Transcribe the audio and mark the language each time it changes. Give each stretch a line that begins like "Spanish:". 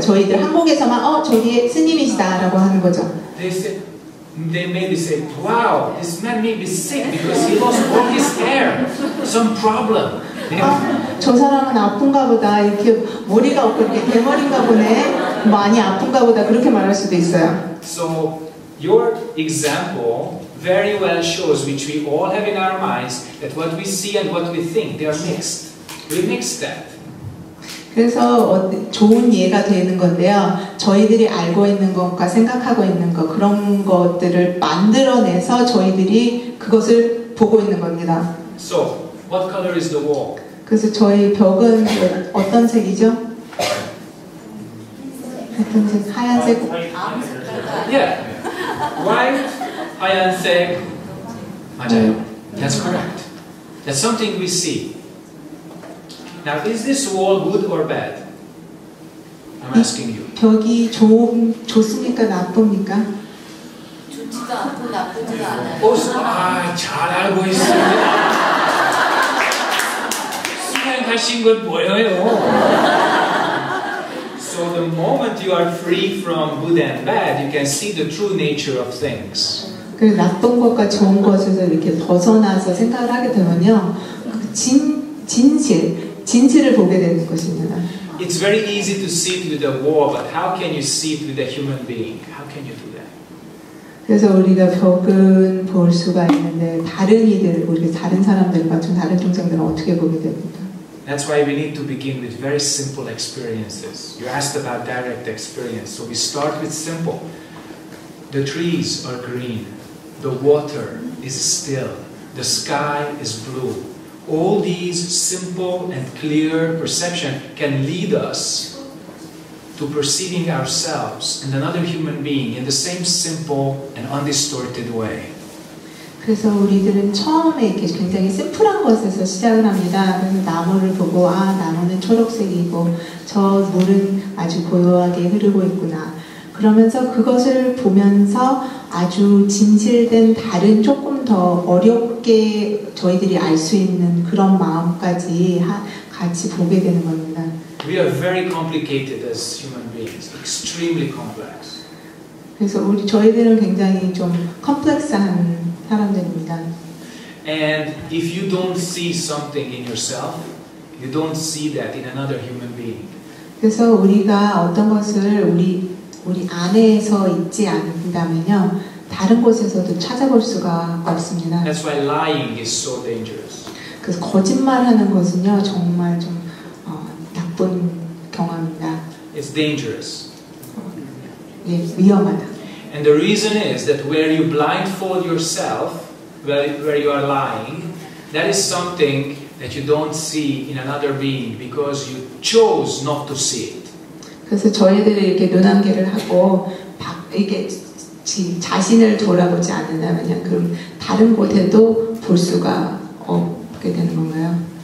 Korean: 저희들 한국에서만 저기 스님이시다라고 하는 거죠.
English: They maybe say, wow, this man may be sick because he lost all his hair. Some problem.
Korean: 저 사람은 아픈가 보다. 이렇게 머리가 없고 이렇게 대머리인가 보네. 많이 아픈가 보다. 그렇게 말할 수도 있어요.
English: So your example very well shows, which we all have in our minds, that what we see and what we think, they are mixed. We mix that.
Korean: 그래서 좋은 예가 되는 건데요. 저희들이 알고 있는 것과 생각하고 있는 것, 그런 것들을 만들어내서 저희들이 그것을 보고 있는 겁니다.
English: So, what color is the wall?
Korean: 그래서 저희 벽은 어떤 색이죠? 어떤 색? 하얀색?
English: Yeah. White,
Korean: 하얀색. 맞아요.
English: That's correct. That's something we see. Now, is this wall good or bad? I'm asking you.
Korean: 벽이 좋습니까? 나쁩니까? 좋지도 않고 나쁘지도 않아요. 잘 알고 있습니다. 시간 가신 것 보여요.
English: So the moment you are free from good and bad, you can see the true nature of things.
Korean: 그 나쁜 것과 좋은 것에서 이렇게 벗어나서 생각을 하게 되면요. 진실을 보게 되는 것입니다.
English: It's very easy to see it with a wall, but how can you see it with a human being? How can you do that?
Korean: 그래서 우리가 벽은 볼 수가 있는데 다른 이들, 우리 다른 사람들과 좀 다른 동생들은 어떻게 보게 됩니까?
English: That's why we need to begin with very simple experiences. You asked about direct experience. So we start with simple. The trees are green. The water is still. The sky is blue. All these simple and clear perception can lead us to perceiving ourselves and another human being in the same simple and undistorted way.
Korean: 그래서 우리들은 처음에 이렇게 굉장히 심플한 것에서 시작을 합니다. 그래서 나무를 보고 나무는 초록색이고 저 물은 아주 고요하게 흐르고 있구나. 그러면서 그것을 보면서 아주 진실된 다른 조금 더 어렵게 저희들이 알 수 있는 그런 마음까지 같이 보게 되는 겁니다.
English: We are very complicated as human beings, extremely complex.
Korean: 그래서 저희들은 굉장히 좀 컴플렉스한 사람들입니다.
English: And if you don't see something in yourself, you don't see that in another human being.
Korean: 그래서 우리가 어떤 것을 우리 안에서 있지 않는다면요, 다른 곳에서도 찾아볼 수가 없습니다.
English: That's why lying is so dangerous.
Korean: 그래서 거짓말하는 것은요 정말 좀 나쁜 경험입니다.
English: It's dangerous.
Korean: 네, 위험하다.
English: And the reason is that where you blindfold yourself, where you are lying, that is something that you don't see in another being because you chose not to see it.
Korean: 그래서 저희들이 이렇게 눈안개를 하고 이게 자신을 돌아보지 않는다면 그럼 다른 곳에도 볼 수가 없게 되는 건가요?